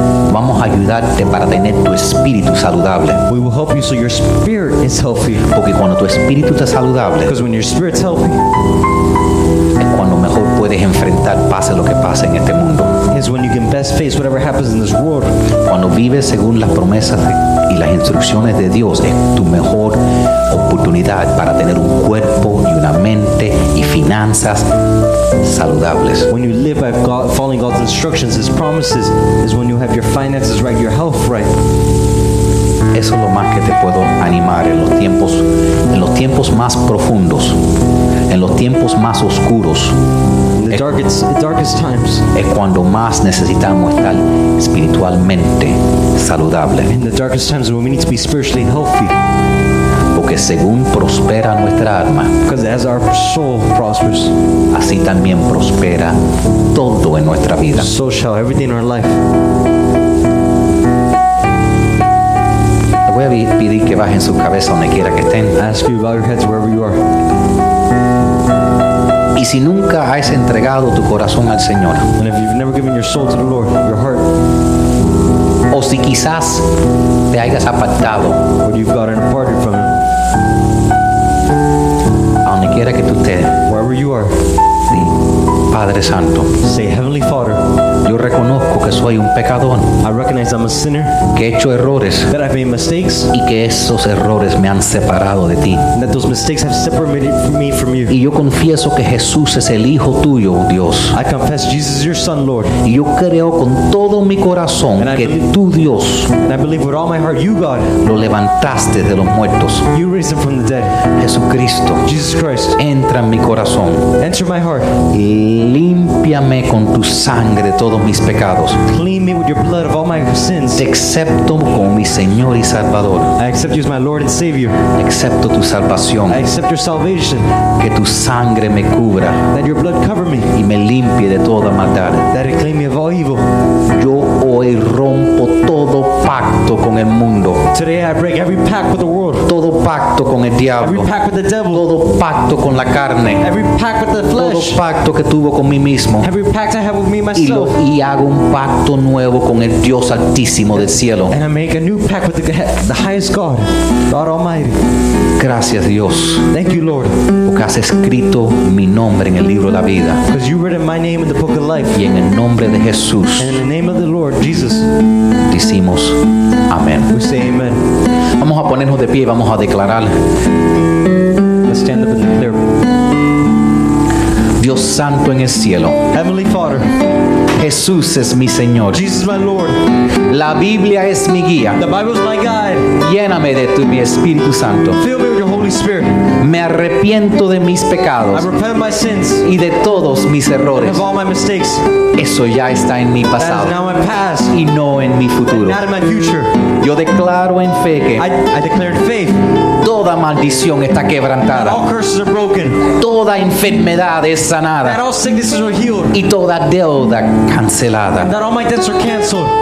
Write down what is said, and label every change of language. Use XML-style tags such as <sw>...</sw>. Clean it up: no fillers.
<es>Vamos a ayudarte para tener tu espíritu saludable.</es> <en>We will help you so your spirit is healthy.</en> <es>Porque cuando tu espíritu está saludable,</es> <en>because when your spirit's healthy,</en> <es>es cuando mejor puedes enfrentar pase lo que pase en este mundo.</es> <en>Is when you can best face whatever happens in this world.</en> <es>Cuando vives según las promesas y las instrucciones de Dios, es tu mejor oportunidad para tener un cuerpo y una mente y finanzas saludables.</es> <en>When you live by God, following God's instructions, His promises, is when you have your finances right, your health right.</en> <es>Eso es lo más que te puedo animar en los tiempos más profundos, en los tiempos más oscuros.</es> <en>The darkest times.</en> <es>Es cuando más necesitamos estar espiritualmente saludable.</es> <en>In the darkest times when we need to be spiritually healthy.</en> <es>Porque según prospera nuestra alma,</es> <en>because as our soul prospers,</en> <es>así también prospera todo en nuestra vida.</es> <en>So shall everything in our life.</en> <es>Voy a pedir que bajen su cabeza donde quiera que estén.</es> <en>Ask you to bow your heads wherever you are.</en> <es>Y si nunca has entregado tu corazón al Señor,</es> <en>and if you've never given your soul to the Lord, your heart,</en> <es>o si quizás te hayas apartado,</es> <en>or you've gotten apart from Him,</en> <es>donde quiera que tú estés,</es> <en>wherever you are,</en> <es>sí, Padre Santo,</es> <en>say Heavenly Father,</en> <es>yo reconozco que soy un pecador,</es> <en>I recognize I'm a sinner,</en> <es>que he hecho errores,</es> <en>that I've made mistakes,</en> <es>y que esos errores me han separado de ti,</es> <en>and that those mistakes have separated me from you.</en> <es>Y yo confieso que Jesús es el Hijo tuyo, Dios.</es> <en>I confess Jesus is your Son, Lord.</en> <es>Y yo creo con todo mi corazón</es> <en>and</en> <es>que tú, Dios,</es> <en>I believe with all my heart, you, God,</en> <es>lo levantaste de los muertos.</es> <en>You raised him from the dead.</en> <es>Jesucristo,</es> <en>Jesus Christ,</en> <es>entra en mi corazón.</es> <en>Enter my heart.</en> <es>Límpiame con tu sangre todo mis pecados.</es> <en>Clean me with your blood of all my sins.</en> <es>Te acepto como mi Señor y Salvador.</es> <en>I accept you as my Lord and Savior.</en> <es>Acepto tu salvación.</es> <en>I accept your salvation.</en> <es>Que tu sangre me cubra.</es> <en>That your blood cover me.</en> <es>Y me limpie de toda maldad.</es> <en>That it clean me of all evil.</en> <es>Yo hoy rompo todo pacto con el mundo.</es> <en>Today I break every pact with the world.</en> <es>Todo pacto con el diablo.</es> <en>Every pact with the devil.</en> <es>Todo pacto con la carne.</es> <en>Every pact with the flesh.</en> <es>Todo pacto que tuvo con mí mismo.</es> <en>Every pact I have with me myself.</en> <es>Y hago un pacto nuevo con el Dios Altísimo del Cielo.</es> <en>And I make a new pact with the highest God, God Almighty.</en> <es>Gracias, Dios.</es> <en>Thank you, Lord.</en> <es>Porque has escrito mi nombre en el libro de la vida.</es> <en>Because you've written my name in the book of life.</en> <es>Y en el nombre de Jesús.</es> <en>And in the name of the Lord, Jesus.</en> <es>Decimos, amén.</es> <en>We say amen.</en> <es>Vamos a ponernos de pie y vamos a declarar.</es> <en>Let's stand up and declare.</en> <es>Dios Santo en el cielo.</es> <en>Heavenly Father.</en> <es>Jesús es mi Señor.</es> <en>Jesus is my Lord.</en> <es>La Biblia es mi guía.</es> <en>The Bible is my guide.</en> <es>Lléname de tu mi Espíritu Santo.</es> <en>Fill me with your Holy Spirit.</en> <es>Me arrepiento de mis pecados.</es> <en>I repent of my sins.</en> <es>Y de todos mis errores.</es> <en>And of all my mistakes.</en> <es>Eso ya está en mi pasado.</es> <en>That is now my past.</en> <es>Y no en mi futuro.</es> <en>And not in my future.</en> <es>Yo declaro en fe que</es> <en>I declare in faith.</en> <es>Toda maldición está quebrantada.</es> <en>All curses are broken.</en> <es>Toda enfermedad es sanada.</es> <en>That all sicknesses are healed.</en> <es>Y toda deuda cancelada.</es> <en>And that all my debts are canceled.</en>